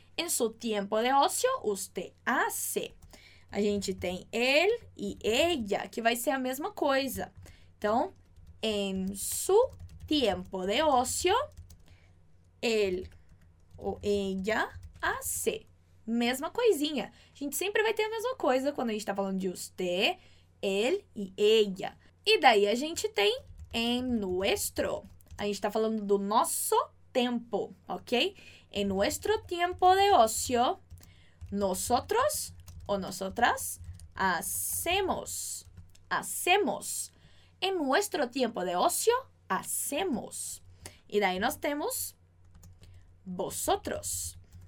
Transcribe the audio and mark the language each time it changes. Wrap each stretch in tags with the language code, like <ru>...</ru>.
<es>En su tiempo de ocio, usted hace.</es> <pt>A gente tem ele e ella, que vai ser a mesma coisa.</pt> <es>Então, en su tiempo de ocio, él ou ella hace.</es> <pt>Mesma coisinha. A gente sempre vai ter a mesma coisa quando a gente está falando de usted, él e ella. E daí a gente tem</pt> <es>en nuestro.</es> <pt>A gente está falando do nosso tempo, ok?</pt> <es>En nuestro tiempo de ocio, nosotros. O nosotras hacemos, hacemos. En nuestro tiempo de ocio, hacemos. Y de ahí nos tenemos vosotros.</es>